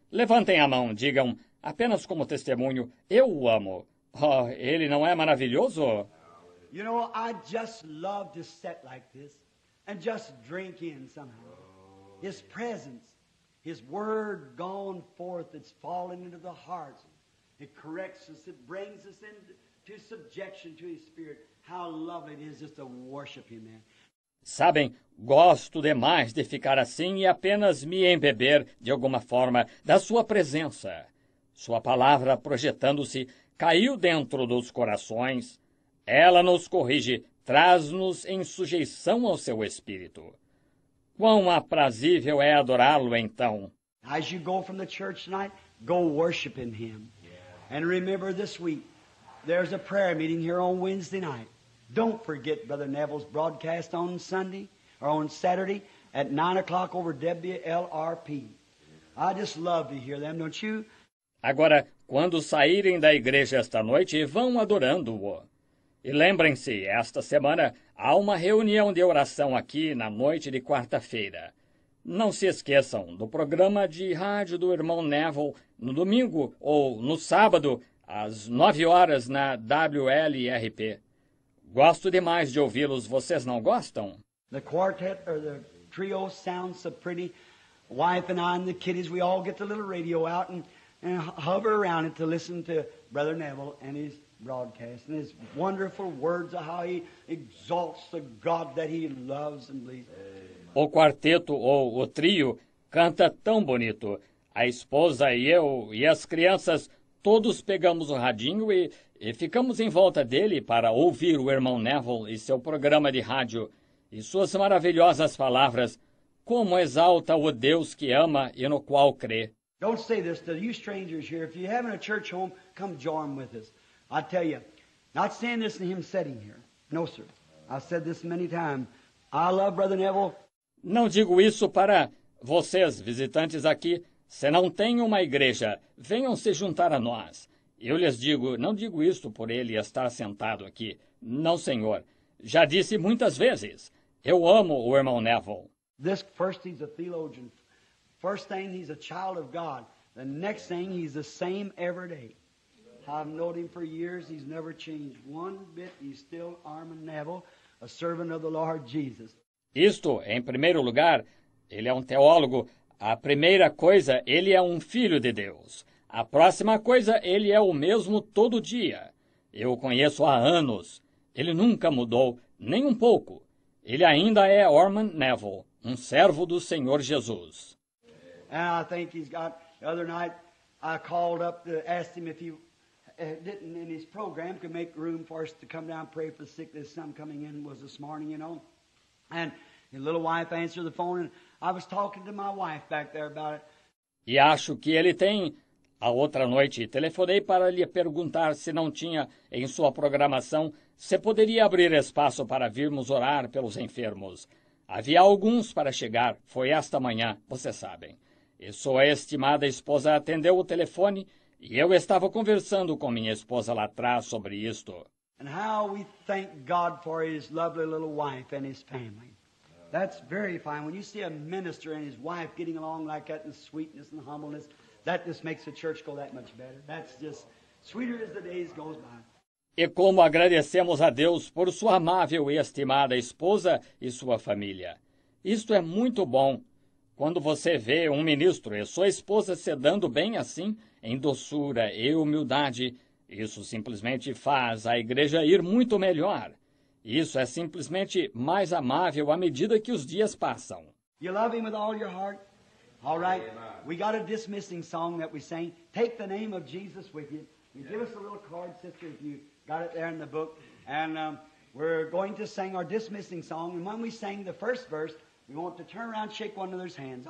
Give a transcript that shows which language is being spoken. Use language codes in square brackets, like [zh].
[pt] Levantem a mão, digam, apenas como testemunho, eu o amo. Oh, ele não é maravilhoso? [en] You know, I just love to sit like this and just drink in somehow. His presence, His word gone forth, it's fallen into the hearts. It corrects us, it brings us into subjection to His Spirit. How lovely it is just to worship Him, man. [pt] Sabem, gosto demais de ficar assim e apenas me embeber, de alguma forma, da Sua presença. Sua palavra, projetando-se, caiu dentro dos corações. Ela nos corrige, traz-nos em sujeição ao Seu Espírito. Quão aprazível é adorá-Lo, então. [en] As you go from the church tonight, go worship in Him. And remember this week, there's a prayer meeting here on Wednesday night. Don't forget Brother Neville's broadcast on Sunday, or on Saturday, at 9 o'clock over WLRP. I just love to hear them, don't you? [pt] Agora, quando saírem da igreja esta noite, vão adorando-o. E lembrem-se, esta semana, há uma reunião de oração aqui na noite de quarta-feira. Não se esqueçam do programa de rádio do irmão Neville no domingo ou no sábado, às 9 horas, na WLRP. Gosto demais de ouvi-los, vocês não gostam? [en] The quartet or the trio sounds so pretty. Wife and I and the kiddies, we all get the little radio out and hover around it to listen to Brother Neville and his broadcast and his wonderful words of how he exalts the God that he loves and believes. [pt] O quarteto ou o trio canta tão bonito. A esposa e eu e as crianças todos pegamos o radinho e ficamos em volta dele para ouvir o irmão Neville e seu programa de rádio e suas maravilhosas palavras. Como exalta o Deus que ama e no qual crê. [en] Don't say this to you strangers here. If you have a church home, come join with us. I tell you, not saying this in him sitting here. No, sir. I said this many times. I love Brother Neville. [pt] Não digo isso para vocês, visitantes aqui. Se não tem uma igreja, venham se juntar a nós. Eu lhes digo, não digo isto por ele estar sentado aqui. Não, senhor. Já disse muitas vezes. Eu amo o irmão Neville. [en] This first he's a theologian. First thing he's a child of God. The next thing he's the same every day. I've known him for years. He's never changed one bit. He's still Armand Neville, a servant of the Lord Jesus. [pt] Isto, em primeiro lugar, ele é um teólogo. A primeira coisa, ele é um filho de Deus. A próxima coisa, ele é o mesmo todo dia. Eu o conheço há anos. Ele nunca mudou, nem um pouco. Ele ainda é Armand Neville, um servo do Senhor Jesus. [en] And I think he's got, the other night, I called up to ask him if he didn't in his program could make room for us to come down and pray for the sick. There's some coming in, was this morning, you know. And his little wife answered the phone, and I was talking to my wife back there about it. [pt] E acho que ele tem. A outra noite, telefonei para lhe perguntar se não tinha em sua programação, se poderia abrir espaço para virmos orar pelos enfermos. Havia alguns para chegar, foi esta manhã, vocês sabem. E sua estimada esposa atendeu o telefone, e eu estava conversando com minha esposa lá atrás sobre isto. [en] And how we thank God for his lovely little wife and his family. That's very fine. When you see a minister and his wife getting along like that in sweetness and humbleness, that just makes the church go that much better. That's just sweeter as the days go by. [pt] E como agradecemos a Deus por sua amável e estimada esposa e sua família. Isto é muito bom. Quando você vê um ministro e sua esposa se dando bem assim, em doçura e humildade, isso simplesmente faz a igreja ir muito melhor. Isso é simplesmente mais amável à medida que os dias passam. [en] You love him with all your heart? All right. Amen. We got a dismissing song that we sang. Take the name of Jesus with you. You give us a little card, sister, if you got it there in the book. And we're going to sing our dismissing song. And when we sang the first verse, we want to turn around and shake one another's hands.